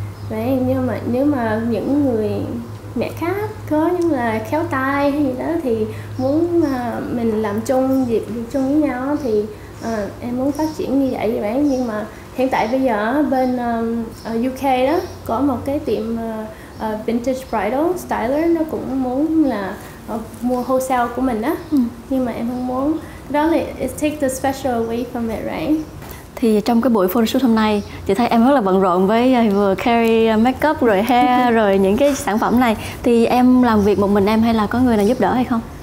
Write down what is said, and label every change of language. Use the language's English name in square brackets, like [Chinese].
[Vietnamese] Đấy, nhưng mà nếu mà những người mẹ khác có những là khéo tay hay gì đó thì muốn mình làm chung, việc chung với nhau thì em muốn phát triển như vậy. Đấy, nhưng mà hiện tại bây giờ bên UK đó có một cái tiệm vintage bridal styler, nó cũng muốn là mua wholesale của mình á. Nhưng mà em không muốn. [English] Đó là it takes the special away from it, right? [Vietnamese] Thì trong cái buổi photoshoot hôm nay, chị thấy em rất là bận rộn với vừa carry makeup rồi hair rồi những cái sản phẩm này. Thì em làm việc một mình em hay là có người nào giúp đỡ hay không?